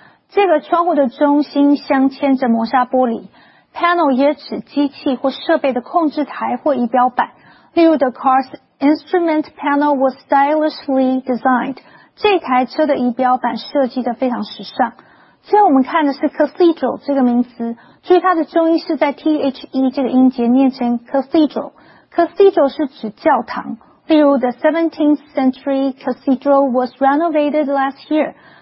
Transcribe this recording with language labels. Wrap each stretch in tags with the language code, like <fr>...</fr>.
<zh>这个窗户的中心镶嵌着磨砂玻璃。 panel 也指机器或设备的控制台或仪表板。例如</zh> <en>the car's instrument panel was stylishly designed.</en> <zh>这台车的仪表板设计得非常时尚。所以我们看的是 cathedral 这个名词，注意它的重音是在 THE 这个音节念成 cathedral。</zh> <en>cathedral</en> <zh>是指教堂，例如</zh> <en>the 17th century cathedral was renovated last year。</en>